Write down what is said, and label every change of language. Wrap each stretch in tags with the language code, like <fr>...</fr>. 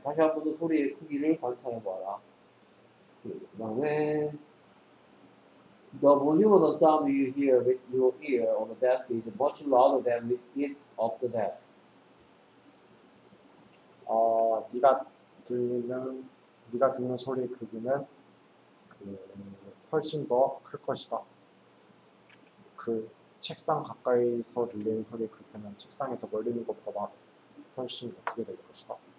<ko>다시 한 번 더 소리의 크기를 관찰해봐라. 그 다음에</ko> <en>The volume of the sound you hear with your ear on the desk is much louder than with it off the desk.</en> <ko>네가 들리는 네가 듣는 소리 크기는 그 훨씬 더 클 것이다. 그 책상 가까이서 들리는 소리 크기는 책상에서 멀리 있는 것보다 훨씬 더 크게 될 것이다.</ko>